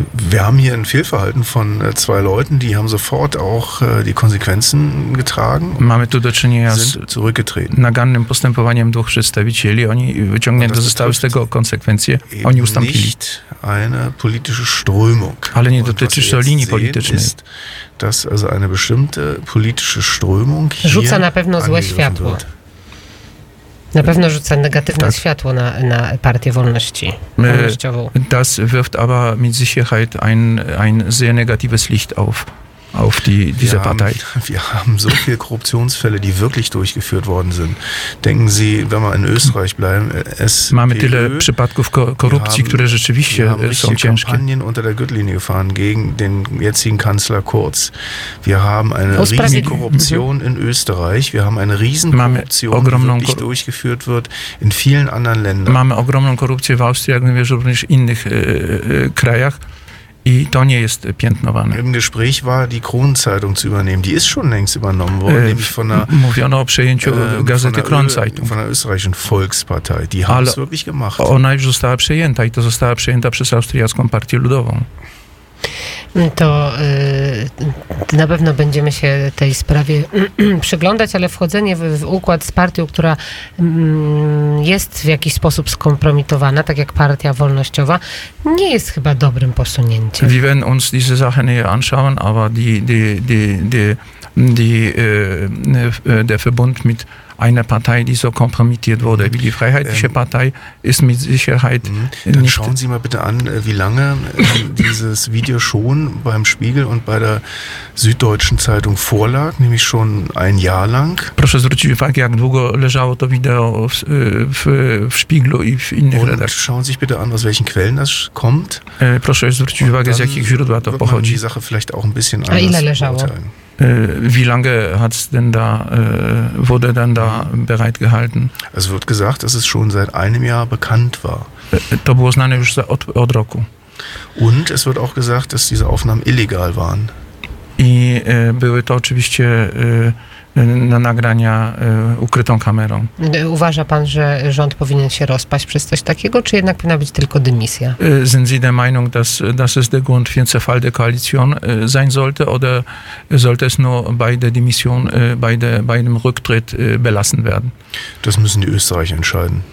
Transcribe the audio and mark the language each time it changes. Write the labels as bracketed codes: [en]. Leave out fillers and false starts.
[de] Wir haben hier ein Fehlverhalten von zwei Leuten, die haben sofort auch die Konsequenzen getragen. [pl] Mamy tu do czynienia z [de] zurückgetreten. [pl] Nagannym postępowaniem dwóch przedstawicieli, oni wyciągnięte zostały z tego konsekwencje, oni ustąpili. [de] Nicht eine politische Strömung. [pl] Ale nie dotyczy to linii politycznej. [de] Ist, dass also eine bestimmte politische Strömung hier [pl] rzuca na pewno złe światło. [de] Wird. [pl] Na pewno rzuca negatywne światło na Partię Wolności. Wolnościową. [de] Das wirft aber mit Sicherheit ein sehr negatives Licht auf diese Partei. Wir haben so viele Korruptionsfälle, die wirklich durchgeführt worden sind. Denken Sie, wenn wir in Österreich bleiben, SPÖ. [pl] Mamy tyle przypadków korupcji, które rzeczywiście są ciężkie. [de] Wir haben Kampagnen unter der Gürtellinie gefahren gegen den jetzigen Kanzler Kurz. Wir haben eine riesige Korruption in Österreich. Wir haben eine riesen Korruption, die wirklich durchgeführt wird in vielen anderen Ländern. [pl] Mamy ogromną korupcję w Austrii, jak wiesz, również w innych krajach. I to nie jest piętnowane. [de] Im Gespräch war die Kronenzeitung zu übernehmen. Die ist schon längst übernommen worden, nämlich von der [pl] mówiono o przejęciu gazety Kronenzeitung. [de] Von der österreichischen Volkspartei. Die haben es wirklich gemacht. [pl] Ona już została przejęta i to została przejęta przez austriacką partię ludową. To na pewno będziemy się tej sprawie przyglądać, ale wchodzenie w układ z partią, która jest w jakiś sposób skompromitowana, tak jak Partia Wolnościowa, nie jest chyba dobrym posunięciem. [de] Wir werden uns diese Sache näher anschauen, aber der Verbund mit eine Partei, die so kompromittiert wurde, wie die Freiheitliche Partei, ist mit Sicherheit dann nicht. Schauen Sie mal bitte an, wie lange dieses Video schon beim Spiegel und bei der Süddeutschen Zeitung vorlag, nämlich schon ein Jahr lang. [pl] Proszę zwrócić uwagę, jak długo leżało to wideo w Spiegelu i w innych redakcjach. [de] Schauen Sie sich bitte an, aus welchen Quellen das kommt. [pl] Proszę zwrócić uwagę, z jakich źródła to pochodzi. [de] Die Sache vielleicht auch ein bisschen anders. [pl] A ile leżało? [de] Beurteilen. Wie lange hat's denn da, wurde denn da bereit gehalten? Es wird gesagt, dass es schon seit einem Jahr bekannt war. [pl] To było znane już od roku. [de] Und es wird auch gesagt, dass diese Aufnahmen illegal waren. [pl] I były to oczywiście na nagrania ukrytą kamerą. Uważa pan, że rząd powinien się rozpaść przez coś takiego, czy jednak powinna być tylko dymisja? [de] Sind Sie der Meinung, dass es der Grund für den Zerfall der Koalition sein sollte, oder sollte es nur bei der Dimission, bei dem Rücktritt belassen werden? Das müssen die Österreicher entscheiden.